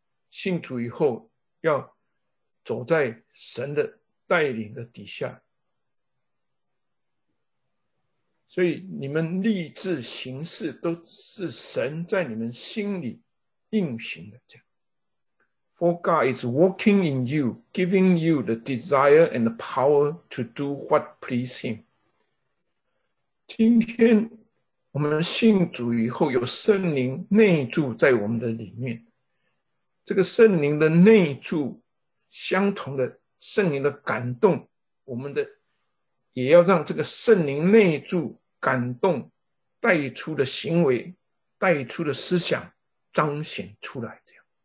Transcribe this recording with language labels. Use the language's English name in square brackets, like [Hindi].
[Chinese] 信主以后要走在神的带领的底下。所以你们立志行事都是神在你们心里运行的，这样。 [English] For God is working in you, giving you the desire and the power to do what pleases Him. [Chinese] 今天我们信主以后有圣灵内住在我们的里面，这个圣灵的内住相同的圣灵的感动，我们的也要让这个圣灵内住感动带出的行为，带出的思想彰显出来，这样。